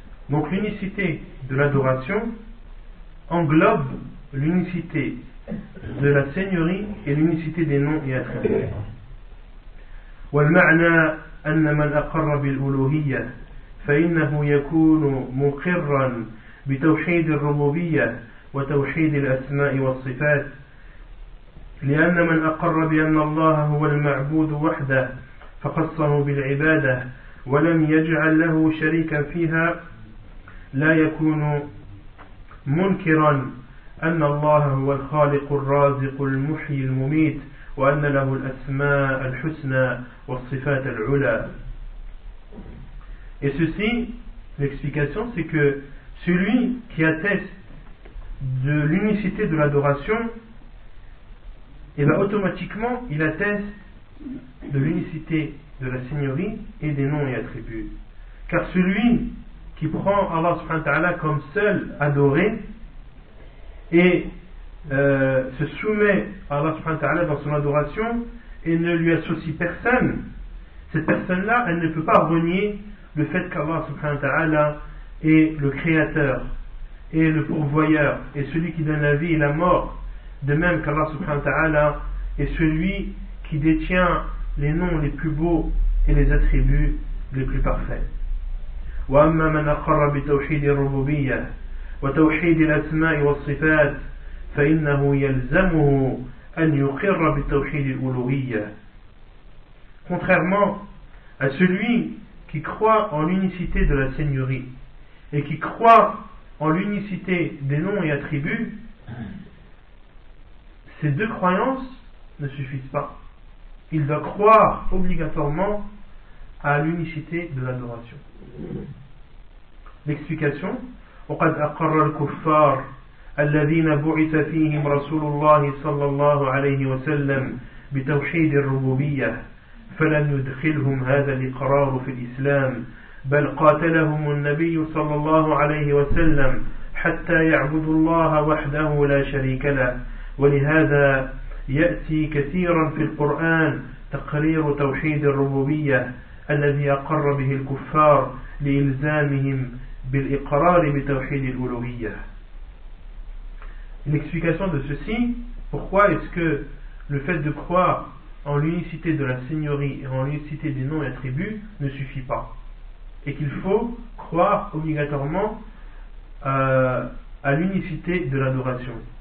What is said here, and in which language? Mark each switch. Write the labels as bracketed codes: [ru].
[fr] Donc l'unicité de l'adoration englobe l'unicité de la seigneurie et l'unicité des noms et attributs. [ar] وَالْمَعْنَى أَنَّ مَنْ أَقَرَّ بِالْأُلُوهِيَّةِ فإنه يكون مقرا بتوحيد الربوبية وتوحيد الأسماء والصفات، لأن من أقر بأن الله هو المعبود وحده فخصه بالعبادة ولم يجعل له شريكا فيها لا يكون منكرا أن الله هو الخالق الرازق المحيي المميت وأن له الأسماء الحسنى والصفات العلى. [fr] Et ceci, l'explication, c'est que celui qui atteste de l'unicité de l'adoration, et bien automatiquement, il atteste de l'unicité de la seigneurie et des noms et attributs. Car celui qui prend Allah subhanahu wa ta'ala comme seul adoré et se soumet à Allah subhanahu wa ta'ala dans son adoration et ne lui associe personne, cette personne-là, elle ne peut pas renier le fait qu'Allah subhanahu wa ta'ala est le créateur et le pourvoyeur et celui qui donne la vie et la mort, de même qu'Allah subhanahu wa ta'ala est celui qui détient les noms les plus beaux et les attributs les plus parfaits. [ar] وأما من أقر بتوحيد الربوبية وتوحيد الأسماء والصفات فإنه يلزمه أن يقر بتوحيد الألوهية. [fr] Contrairement à celui qui croit en l'unicité de la Seigneurie et qui croit en l'unicité des noms et attributs, ces deux croyances ne suffisent pas. Il doit croire obligatoirement à l'unicité de l'adoration. L'explication. [ar] وقد أقر الكفار الذين بعث فيهم رسول الله صلى الله عليه وسلم بتوحيد الربوبية فلن يدخلهم هذا الإقرار في الإسلام بل قاتلهم النبي صلى الله عليه وسلم حتى يعبدوا الله وحده لا شريك له. ولهذا يأتي كثيرا في القرآن تقرير توحيد الربوبية الذي أقر به الكفار لإلزامهم بالإقرار بتوحيد الألوهية. [fr] Une explication de ceci, pourquoi est-ce que le fait de croire en l'unicité de la Seigneurie et en l'unicité des noms et attributs ne suffit pas, et qu'il faut croire obligatoirement à l'unicité de l'adoration.